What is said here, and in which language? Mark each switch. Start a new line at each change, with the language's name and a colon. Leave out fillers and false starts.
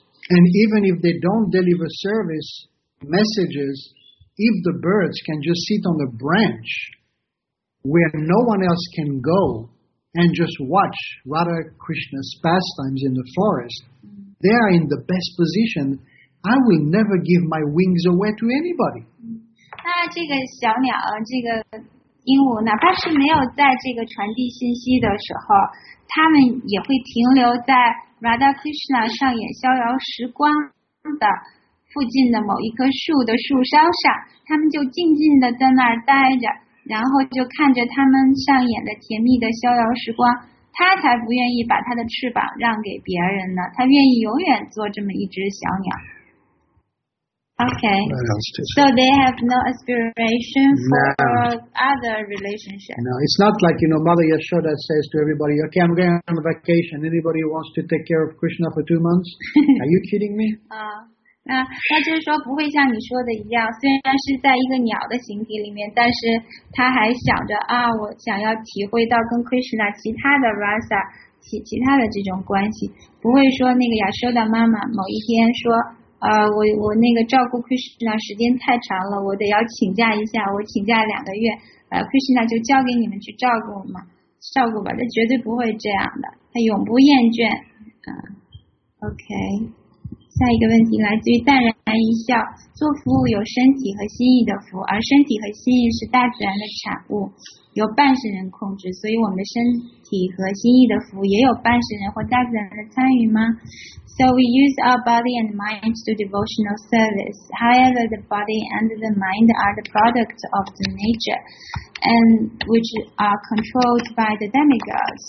English: And even if they don't deliver service messages, if the birds can just sit on the branch,where no one else can go and just watch Radha Krishna's pastimes in the forest, they are in the best position. I will never give my wings away to anybody.
Chinese: 那这个小鸟，这个鹦鹉，哪怕是没有在这个传递信息的时候，他们也会停留在 Radha Krishna 上演逍遥时光的附近的某一棵树的树梢上，他们就静静的在那儿待着。然后就看着他们上演的甜蜜的逍遥时光，他才不愿意把他的翅膀让给别人呢，他愿意永远做这么一只小鸟。
English: Okay, so they have no aspiration for other relationships. No, it's not like, you know, Mother Yashoda says to everybody, okay, I'm going on a vacation, anybody wants to take care of Krishna for 2 months? Are you kidding me?
Chinese: 那就是说不会像你说的一样，虽然是在一个鸟的形体里面，但是他还想着啊，我想要体会到跟 Krishna 其他的 Rasa 其他的这种关系，不会说那个亚舍的妈妈某一天说我那个照顾 Krishna 时间太长了，我得要请假一下，我请假2个月，Krishna 就交给你们去照顾吧，他绝对不会这样的，他永不厌倦啊。
English: OK。
Chinese: 下一个问题来自于淡然一笑，做服务有身体和心意的服务，而身体和心意是大自然的产物，由半神人控制，所以我们的身体和心意的服务也有半神人或大自然的参与吗？
English: So we use our body and mind to devotional service. However, the body and the mind are the products of the nature, and which are controlled by the demigods.